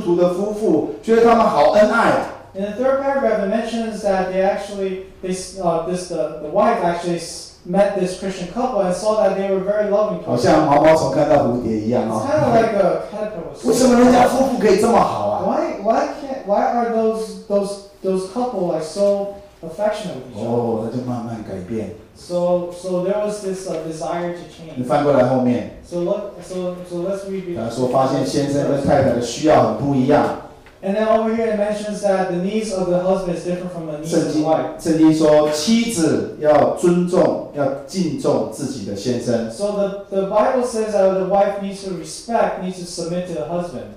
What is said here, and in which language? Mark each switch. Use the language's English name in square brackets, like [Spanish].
[Chinese] 第三段说，他有一个偶然机会看到一对基督徒的夫妇，觉得他们好恩爱。 [English] In the third paragraph, it mentions that the wife actually met this Christian couple and saw that they were very loving people. [Chinese] 好像毛毛虫看到蝴蝶一样, [English] it's kind of like a caterpillar. [Chinese] 为什么人家夫妇可以这么好啊? [English] Why are those couple like so affectionate with each other? [Chinese] 那就慢慢改变。 [English] So there was this desire to change. [Chinese] 你翻过来后面, [English] so let's read it. [Chinese] 他说发现先生跟太太的需要很不一样。 [English] And then over here it mentions that the needs of the husband is different from the needs [Chinese] 圣经, [English] of the wife. [Chinese] 圣经说妻子要尊重，要敬重自己的先生。 [English] So the Bible says that the wife needs to respect, needs to submit to the husband.